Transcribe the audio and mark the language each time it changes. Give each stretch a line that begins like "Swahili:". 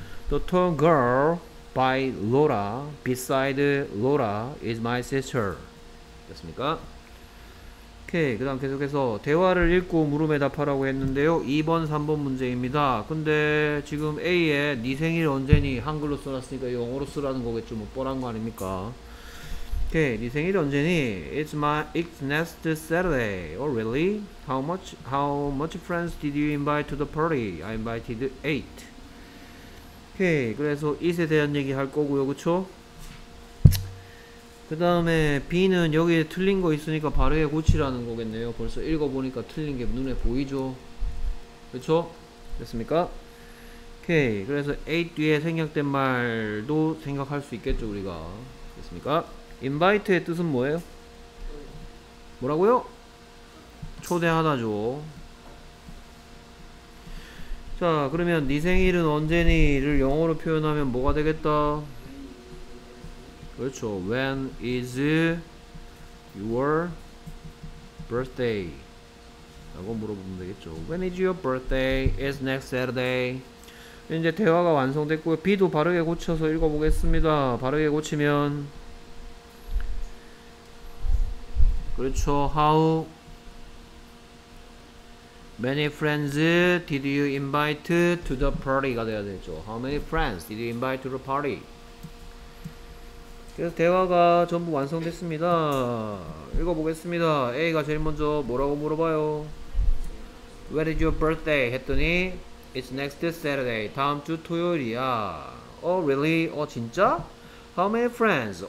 English: The tall girl by Laura, beside Laura is my sister.
Korean: 됐습니까? 오케이. 그다음 계속해서 대화를 읽고 물음에 답하라고 했는데요. 2번, 3번 문제입니다. 근데 지금 A에 네 생일 언제니 한글로 써놨으니까 영어로 쓰라는 거겠죠. 뭐 뻔한 거 아닙니까? 오케이. 네 생일 언제니?
English: It's next Saturday. Oh, really? How much friends did you invite to the party? I invited eight. 오케이.
Korean: 그래서 it에 대한 얘기 할 거고요. 그쵸? 그 다음에 B는 여기에 틀린 거 있으니까 바르게 고치라는 거겠네요. 벌써 읽어보니까 틀린 게 눈에 보이죠? 그쵸? 됐습니까? 오케이. 그래서 A 뒤에 생략된 말도 생각할 수 있겠죠, 우리가. 됐습니까? Invite의 뜻은 뭐예요? 뭐라고요? 초대하다죠. 자, 그러면 네 생일은 언제니를 영어로 표현하면 뭐가 되겠다? 그렇죠.
English: When is your birthday?
Korean: 라고 물어보면 되겠죠.
English: When is your birthday? It's next Saturday.
Korean: 이제 대화가 완성됐고요. B도 바르게 고쳐서 읽어보겠습니다. 바르게 고치면, 그렇죠.
English: How many friends did you invite to the party?
Korean: 가 돼야 되죠.
English: How many friends did you invite to the party?
Korean: 그래서 대화가 전부 완성됐습니다. 읽어보겠습니다. A가 제일 먼저 뭐라고 물어봐요?
English: When is your birthday?
Korean: 했더니
English: It's next Saturday.
Korean: 다음 주 토요일이야.
English: Oh, really?
Korean: 어, 진짜?
English: How many friends?